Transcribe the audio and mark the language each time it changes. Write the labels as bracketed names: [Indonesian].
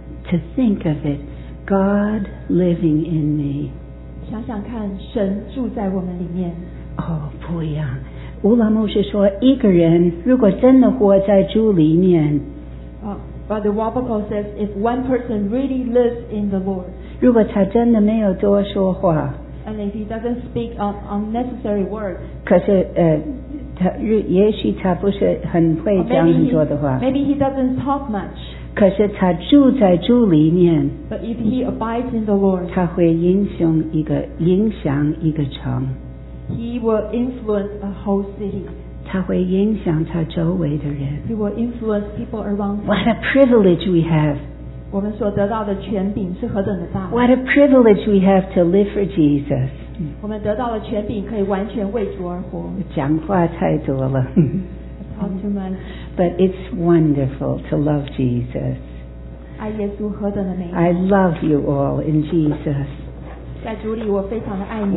[English] To think of it, God living in me. [Chinese] 想想看，神住在我们里面。 Oh, 不一样。乌拉牧师说，一个人如果真的活在主里面。 [English] Brother Wabako says, if one person really lives in the Lord, [Chinese] 如果他真的没有多说话, [English] and if he doesn't speak unnecessary words, [Chinese] 可是, 也许他不是很会讲很多的话, [English] maybe he doesn't talk much, [Chinese] 可是他住在主里面, [English] but if he abides in the Lord, [Chinese] 他会影响一个城, [English] he will influence a whole city. [Chinese] 他会影响他周围的人。 [English] He will influence people around him. What a privilege we have. [Chinese] 我们所得到的权柄是何等的大。 [English] What a privilege we have to live for Jesus. [Chinese] 我们得到的权柄可以完全为主而活。讲话太多了。 [English] Talk too much. But it's wonderful to love Jesus. [Chinese] 爱耶稣何等的美。 [English] I love you all in Jesus. [Chinese] 在主里我非常的爱你们。